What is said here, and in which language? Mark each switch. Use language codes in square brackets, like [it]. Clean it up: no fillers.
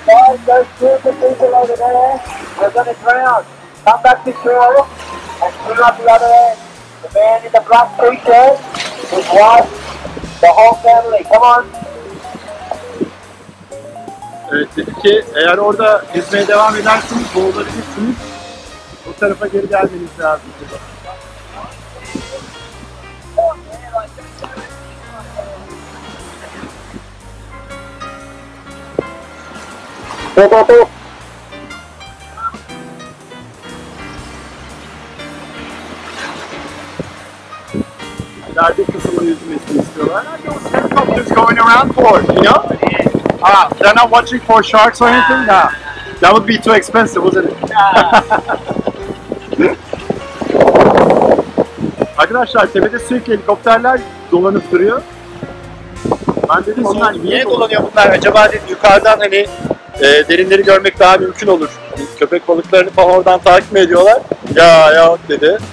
[en] Guys, those two of the people over there, we're going to drown. Come back to shore and swim out the other end. The man in the black t-shirt, his wife, the whole family. Come on. [tr] Evet, dedi ki eğer orada yüzmeye devam ederseniz, boğulabilirsiniz, o tarafa geri gelmeniz lazım dedi. [en] Just going around for, you know? Ah, they're not watching for sharks or anything? Nah. That would be too expensive, wasn't it? Nah. [tr] Arkadaşlar, tepede sürekli helikopterler dolanıp duruyor. Ben dedim, onlar niye dolanıyor bunlar? Acaba dedim, yukarıdan hani derinleri görmek daha mümkün olur. Köpek balıklarını falan oradan takip mi ediyorlar? Ya ya dedi.